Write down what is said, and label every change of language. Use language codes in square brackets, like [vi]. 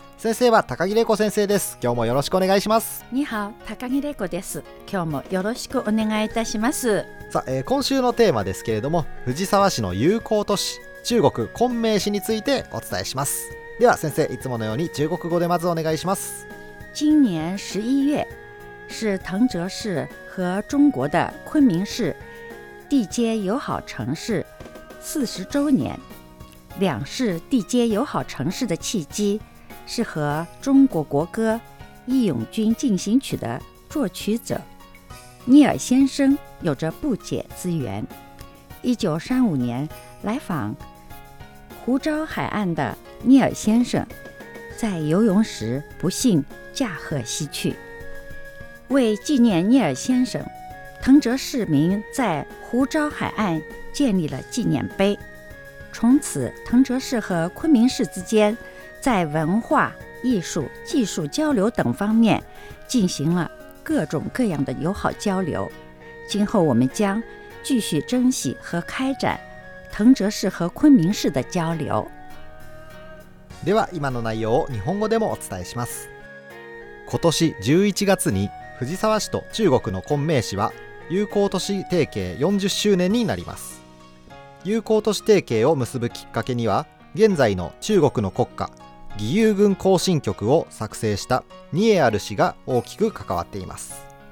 [ja] 先生は高木玲子先生です。今日もよろしくお願いします。ニハオ、高木玲子です。今日もよろしくお願いいたします。さあ、今週のテーマですけれども、藤沢市の友好都市、中国昆明市についてお伝えします。では先生、いつものように中国語でまずお願いします。 [zh] 今年11月是藤泽市和中国的昆明市地接友好城市40周年。两市地接友好城市的契机是和中国国歌《义勇军进行曲》的作曲者聂耳先生有着不解之缘。 1935年来访湖州海岸的聂耳先生在游泳时不幸驾鹤西去。为纪念聂耳先生，藤泽市民在湖州海岸建立了纪念碑。从此，藤泽市和昆明市之间在文化、艺术、技术交流等方面进行了各种各样的友好交流。今后我们将继续珍惜和开展藤泽市和昆明市的交流。 [ja] では今の内容を日本語でもお伝えします。今年11月に藤沢市と中国の昆明市は友好都市提携40周年になります。友好都市提携を結ぶきっかけには、現在の中国の国歌義勇軍行進曲を作成したニエアル氏が大きく関わっています。